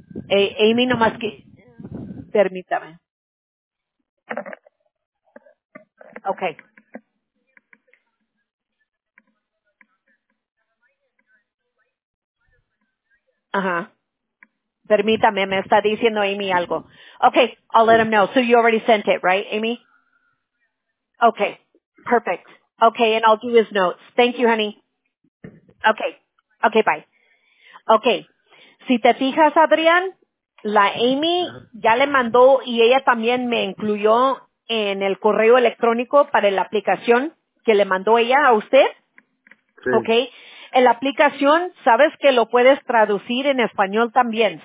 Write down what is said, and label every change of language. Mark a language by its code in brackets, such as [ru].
[es] Amy, nomás que... Permítame. [en] Okay. Ajá. [es] Permítame, me está diciendo Amy algo. [en] Okay, I'll let him know. So you already sent it, right, Amy? Okay, perfect. Okay, and I'll do his notes. Thank you, honey. Okay. Okay, bye. Okay. [es] Si te fijas, Adrián, la Amy ya le mandó y ella también me incluyó en el correo electrónico para la aplicación que le mandó ella a usted. Sí. [en] Okay. [es] En la aplicación, sabes que lo puedes traducir en español también.